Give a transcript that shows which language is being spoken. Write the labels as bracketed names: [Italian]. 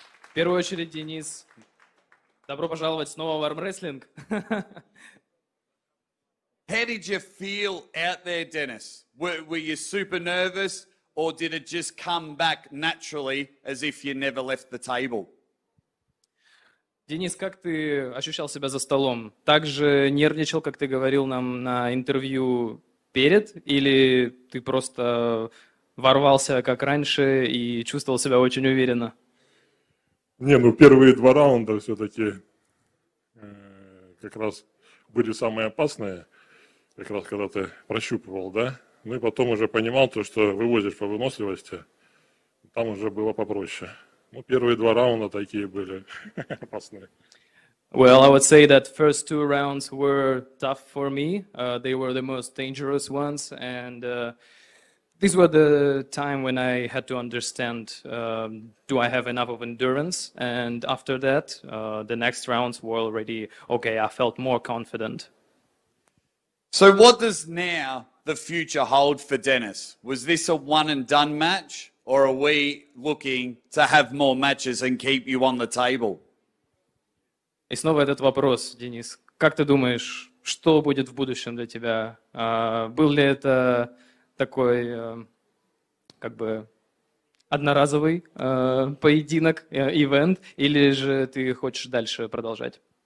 [Russian] В первую очередь, Денис, добро пожаловать снова в армрестлинг. [English] How did you feel out there, Dennis? Were you super nervous, or did it just come back naturally as if you never left the table? [Russian] Денис, как ты ощущал себя за столом? Так же нервничал, как ты говорил нам на интервью перед, или ты просто ворвался, как раньше, и чувствовал себя очень уверенно? Не, ну первые два раунда все-таки как раз были самые опасные, как раз когда ты прощупывал, да? Ну и потом уже понимал то, что вывозишь по выносливости, там уже было попроще. Ну первые два раунда такие были опасные. [English] Well, I would say that first two rounds were tough for me. They were the most dangerous ones, and these were the time when I had to understand, do I have enough of endurance? And after that, the next rounds were already okay. I felt more confident. So what does now the future hold for Dennis? Was this a one and done match, or are we looking to have more matches and keep you on the table? [Russian] И снова этот вопрос, Денис. Как ты думаешь, что будет в будущем для тебя? Был ли это такой, как бы, одноразовый поединок, ивент, или же ты хочешь дальше продолжать?